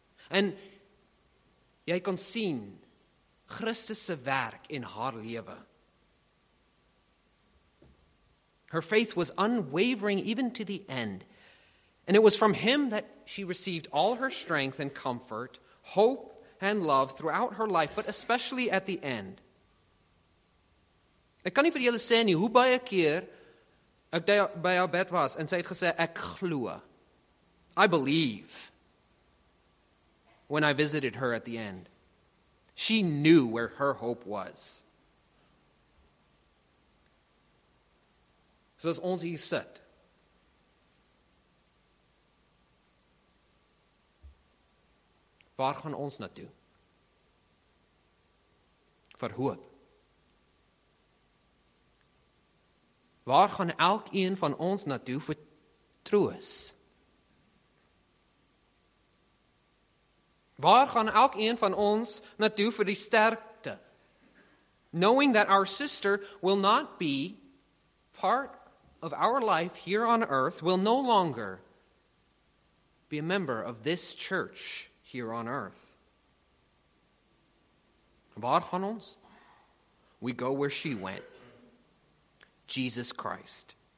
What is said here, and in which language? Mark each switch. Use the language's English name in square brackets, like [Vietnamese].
[Afrikaans] En jy kon sien Christus se werk in haar lewe. [English] Her faith was unwavering even to the end. And it was from him that she received all her strength and comfort, hope and love throughout her life, but especially at the end. [Afrikaans] Ek kan nie vir julle sê nie hoe baie keer ek by haar bed was en sy het gesê, "Ek glo." [English] I believe. When I visited her at the end, she knew where her hope was. [Afrikaans] So as ons hier sit, waar gaan ons naartoe? Vir hoop. Waar gaan elk een van ons naartoe vir troos? Waar gaan elk een van ons naartoe vir die sterkte? [English] Knowing that our sister will not be part of our life here on earth, will no longer be a member of this church here on earth. [Afrikaans] Waar gaan ons? [English] We go where she went. Jesus Christ.